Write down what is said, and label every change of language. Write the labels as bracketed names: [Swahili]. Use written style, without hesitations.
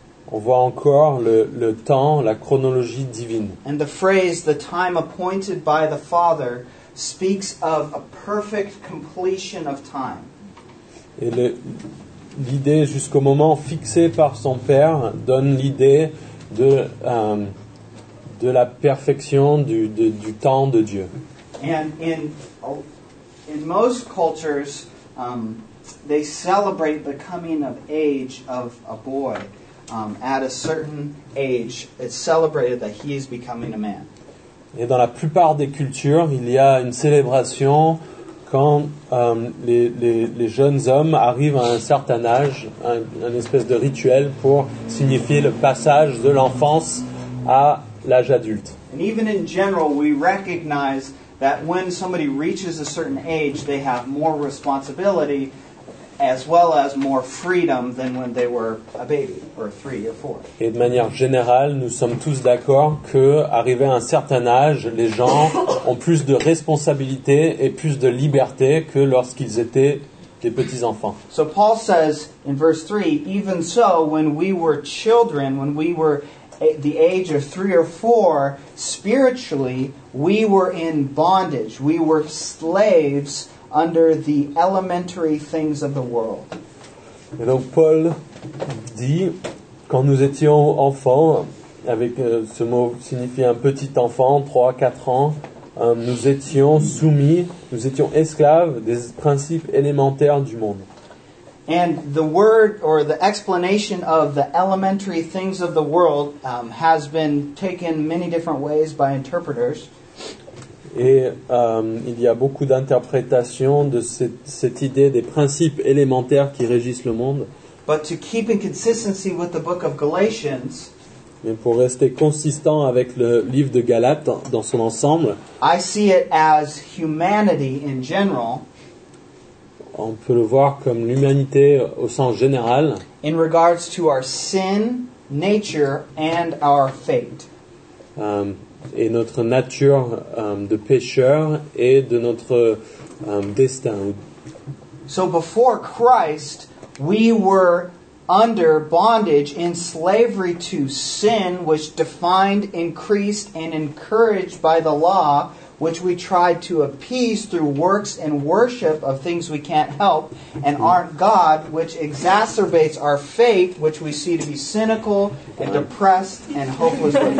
[French] On voit encore le temps, la chronologie divine. [English] And the phrase, the time appointed by the Father, speaks of a perfect completion of time. [French] Et l'idée jusqu'au moment fixé par son Père donne l'idée de la perfection du temps de Dieu. [English] And in most cultures, they celebrate the coming of age of a boy. At a certain age, it's celebrated that he is becoming a man. [French] Et dans la plupart des cultures, il y a une célébration quand les jeunes hommes arrivent à un certain âge, un espèce de rituel pour signifier le passage de l'enfance à l'âge adulte. [English] And even in general, we recognize that when somebody reaches a certain age, they have more responsibility as well as more freedom than when they were a baby or three or four. [French] Et de manière générale, nous sommes tous d'accord que arrivé à un certain âge, les gens ont plus de responsabilités et plus de liberté que lorsqu'ils étaient des petits enfants. [English] So Paul says in verse 3, even so when we were children, when we were at the age of 3 or 4, spiritually we were in bondage. We were slaves under the elementary things of the world. [French] Et donc Paul dit, quand nous étions enfants, avec ce mot signifie un petit enfant, 3-4 ans, nous étions soumis, nous étions esclaves des principes élémentaires du monde. [English] And the word or the explanation of the elementary things of the world has been taken many different ways by interpreters. [French] Et il y a beaucoup d'interprétations de cette idée des principes élémentaires qui régissent le monde. [English] But to keep in consistency with the book of Galatians, [French] mais pour rester consistant avec le livre de Galates dans son ensemble, [English] I see it as humanity in general, [French] on peut le voir comme l'humanité au sens général, [English] in regards to our sin, nature and our fate. [French] Et notre nature de pécheur et de notre destin. [English] So before Christ, we were under bondage in slavery to sin, which defined, increased, and encouraged by the law, which we tried to appease through works and worship of things we can't help and aren't God, which exacerbates our fate, which we see to be cynical and depressed and hopeless.